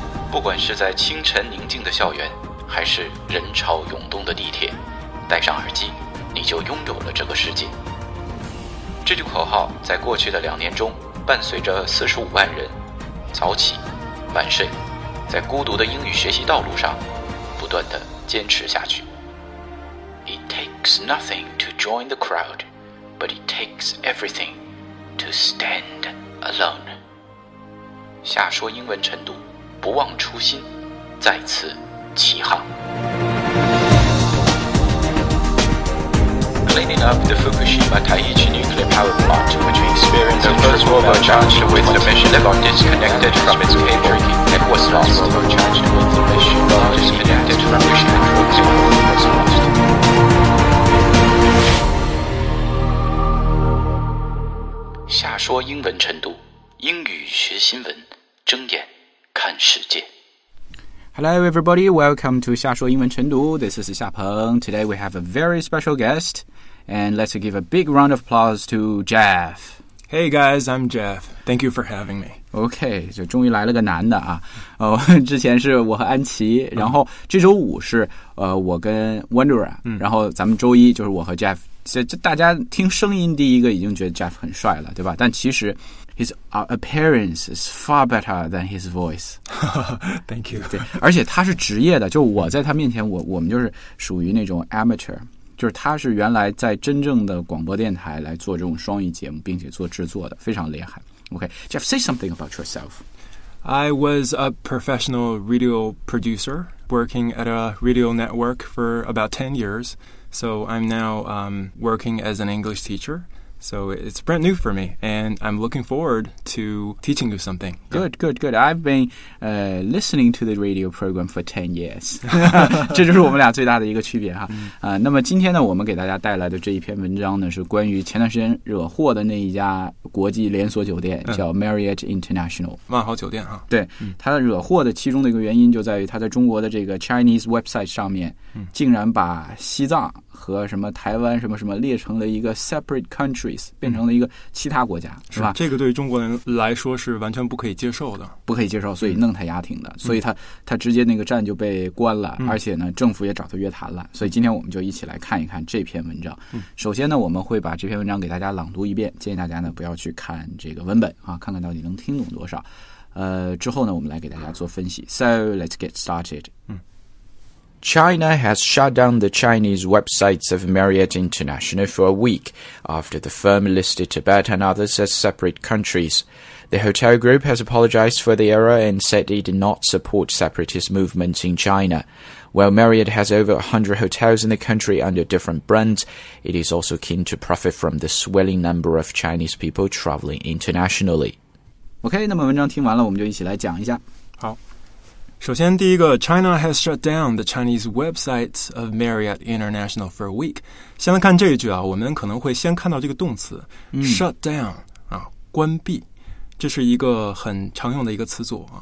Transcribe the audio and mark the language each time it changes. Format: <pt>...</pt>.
<zh>不管是在清晨宁静的校园，还是人潮涌动的地铁，戴上耳机，你就拥有了这个世界。这句口号在过去的两年中，伴随着45万人早起晚睡，在孤独的英语学习道路上不断地坚持下去。</zh> <en>It takes nothing to join the crowd, but it takes everything to stand alone.</en> <zh>下说英文晨读，不忘初心，再次起航。</zh> <en>Cleaning up the Fukushima Taiichi nuclear power plant, which experienced a first robot charged with the mission that got disconnected from its cable that was lost.</en> <zh>下说英文晨读，英语学新闻，睁眼看世界。</zh> <en>Hello everybody, welcome to 下说英文晨读。This is 夏鹏。 Today we have a very special guest, and let's give a big round of applause to Jeff. Hey guys, I'm Jeff. Thank you for having me.</en> <zh>OK, 就终于来了个男的啊。哦，之前是我和安琪，然后这周五是我跟 Wanderer，然后咱们周一就是我和 Jeff。这大家听声音第一个已经觉得 Jeff 很帅了，对吧？但其实</zh> <en>His appearance is far better than his voice. Thank you.</en> <zh>对，而且他是职业的，就我在他面前，我们就是属于那种 amateur， 就是他是原来在真正的广播电台来做这种双语节目，并且做制作的，非常厉害。</zh> <en>Okay, Jeff, say something about yourself. I was a professional radio producer working at a radio network for about 10 years. So I'm now working as an English teacher. So it's brand new for me, and I'm looking forward to teaching you something. Good, good, good. I've been listening to the radio program for 10 years.</en> <zh>这就是我们俩最大的一个区别哈。那么今天呢，我们给大家带来的这一篇文章呢，是关于前段时间惹祸的那一家国际连锁酒店，叫 Marriott International。万豪酒店哈。对，它惹祸的其中的一个原因就在于它在中国的这个</zh> <en>Chinese website</en> <zh>上面，竟然把西藏和什么台湾什么什么列成了一个</zh> <en>separate countries，</en> <zh>变成了一个其他国家，是吧？这个对于中国人来说是完全不可以接受的，不可以接受，所以弄他押停的，所以他直接那个站就被关了，而且呢，政府也找他约谈了。所以今天我们就一起来看一看这篇文章。首先呢，我们会把这篇文章给大家朗读一遍，建议大家呢不要去看这个文本啊，看看到底能听懂多少。之后呢，我们来给大家做分析。</zh> <en>So let's get started. China has shut down the Chinese websites of Marriott International for a week after the firm listed Tibet and others as separate countries. The hotel group has apologized for the error and said it did not support separatist movements in China. While Marriott has over 100 hotels in the country under different brands, it is also keen to profit from the swelling number of Chinese people traveling internationally. Okay,</en> <zh>那么文章听完了，我们就一起来讲一下。好。首先第一个</zh> <en>China has shut down the Chinese websites of Marriott International for a week.</en> <zh>先来看这一句啊，我们可能会先看到这个动词、shut down、关闭，这是一个很常用的一个词组、</zh>